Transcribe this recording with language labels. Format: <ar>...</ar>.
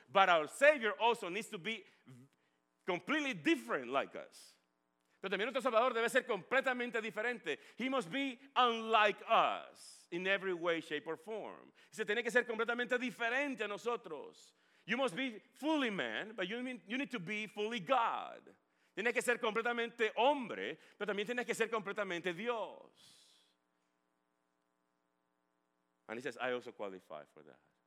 <en>But our Savior also needs to be completely different like us.</en> <es>Pero también nuestro Salvador debe ser completamente diferente.</es> <en>He must be unlike us in every way, shape, or form.</en> <es>Se tiene que ser completamente diferente a nosotros.</es> <en>You must be fully man, but you need to be fully God.</en> <es>Tiene que ser completamente hombre, pero también tiene que ser completamente Dios.</es> <en>And he says, I also qualify for that.</en>